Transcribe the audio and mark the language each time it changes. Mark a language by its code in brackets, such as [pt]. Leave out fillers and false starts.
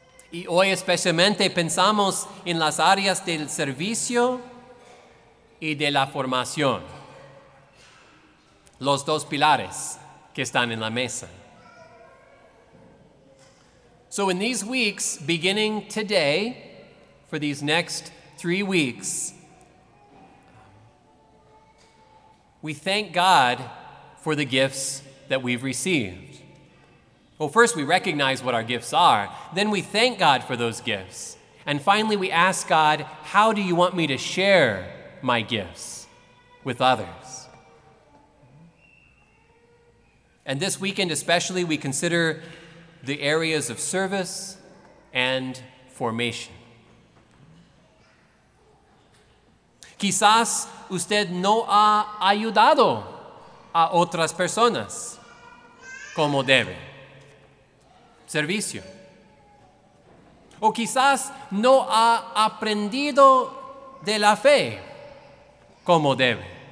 [es] Y hoy especialmente pensamos en las áreas del servicio y de la formación, los dos pilares que están en la mesa. [en] So in these weeks, beginning today, for these next 3 weeks, we thank God for the gifts that we've received. Well, first we recognize what our gifts are, then we thank God for those gifts. And finally we ask God, how do you want me to share my gifts with others? And this weekend especially, we consider the areas of service and formation. [es] Quizás usted no ha ayudado a otras personas como debe. Servicio. O quizás no ha aprendido de la fe como debe.